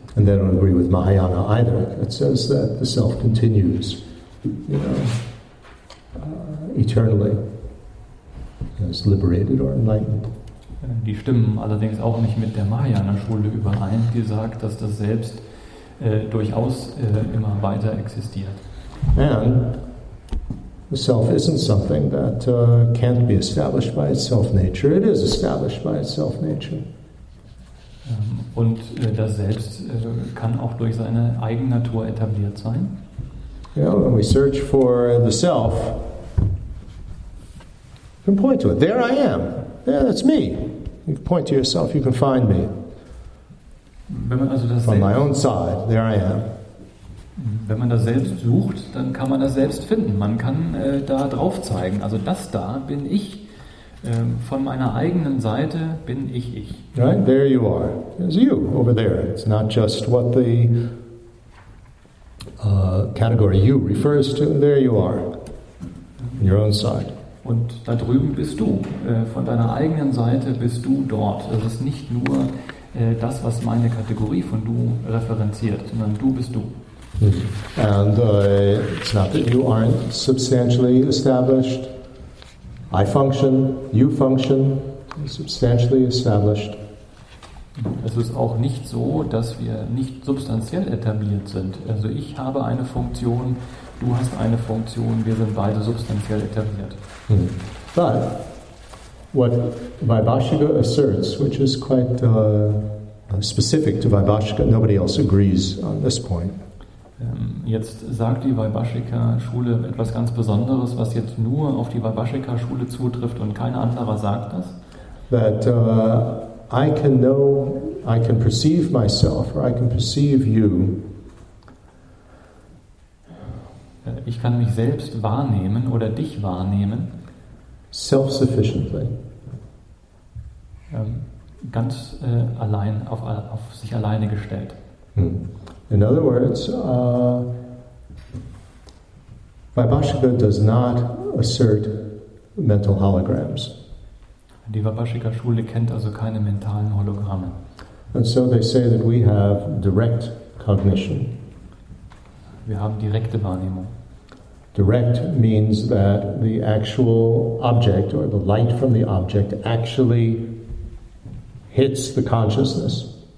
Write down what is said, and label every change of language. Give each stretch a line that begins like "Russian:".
English: And they don't agree with Mahayana either. It says that the self continues, you know, eternally, as liberated or enlightened.
German: Die stimmen allerdings auch nicht mit der Mahayana-Schule überein, die sagt, dass das Selbst durchaus immer weiter existiert.
English: And the self isn't something that can't be established by its self-nature. It is established by its self-nature.
German: Und das Selbst kann auch durch seine Eigennatur etabliert sein.
English: Yeah, when we search for the self, you can point to it. There I am. Yeah, that's me. You can point to yourself, you can find me.
German: Wenn man also das
English: from my own side, there I am.
German: Wenn man das Selbst sucht, dann kann man das Selbst finden. Man kann da drauf zeigen. Also das da bin ich. Von meiner eigenen Seite bin ich ich.
English: Right, there you are. It's you over there. It's not just what the category you refers to. There you are. On your own side.
German: Und da drüben bist du. Von deiner eigenen Seite bist du dort. Das ist nicht nur das, was meine Kategorie von du referenziert, sondern du bist du.
English: And it's not that you aren't substantially established. I function, you function, substantially established.
German: Es ist auch nicht so, dass wir nicht substanziell etabliert sind. Also ich habe eine Funktion, du hast eine Funktion, wir sind beide substanziell etabliert.
English: But what Vaibhashika asserts, which is quite specific to Vaibhashika, nobody else agrees on this point.
German: Jetzt sagt die Vaibhashika-Schule etwas ganz Besonderes, was jetzt nur auf die Vaibhashika-Schule zutrifft, und kein anderer sagt das.
English: That I can know, I can perceive myself, or I can perceive you.
German: Ich kann mich selbst wahrnehmen oder dich wahrnehmen.
English: Self-sufficiently.
German: Ganz allein, auf sich alleine gestellt.
English: In other words, Vaibhashika does not assert mental holograms.
German: Die Vaibhashika-Schule kennt also keine mentalen Hologramme.
English: And so they say that we have direct cognition.
German: Wir haben direkte Wahrnehmung.
English: Direct means that the actual object or the light from the object actually hits the consciousness.